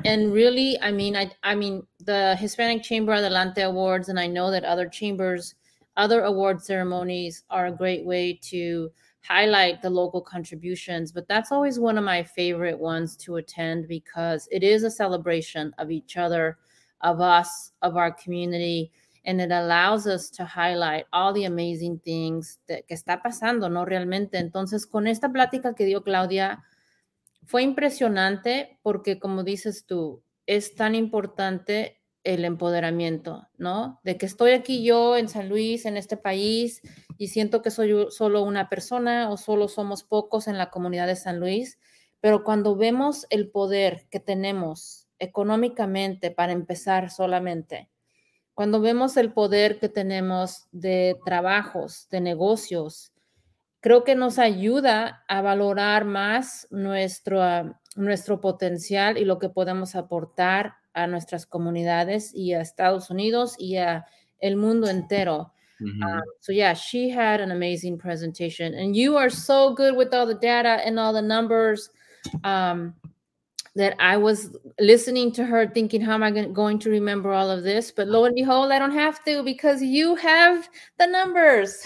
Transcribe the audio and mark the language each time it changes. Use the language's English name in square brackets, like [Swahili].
[English] And really, I mean, the Hispanic Chamber Adelante Awards, and I know that other chambers, other award ceremonies are a great way to highlight the local contributions, but that's always one of my favorite ones to attend because it is a celebration of each other, of us, of our community, and it allows us to highlight all the amazing things that [Spanish] que está pasando, no realmente. Entonces, con esta plática que dio Claudia, fue impresionante porque, como dices tú, es tan importante el empoderamiento, ¿no? De que estoy aquí yo en San Luis, en este país, y siento que soy solo una persona o solo somos pocos en la comunidad de San Luis, pero cuando vemos el poder que tenemos económicamente para empezar solamente, cuando vemos el poder que tenemos de trabajos, de negocios, creo que nos ayuda a valorar más nuestro potencial y lo que podemos aportar a nuestras comunidades y a Estados Unidos y a el mundo entero. [English] So yeah, she had an amazing presentation, and you are so good with all the data and all the numbers that I was listening to her thinking, how am I going to remember all of this? But lo and behold, I don't have to because you have the numbers.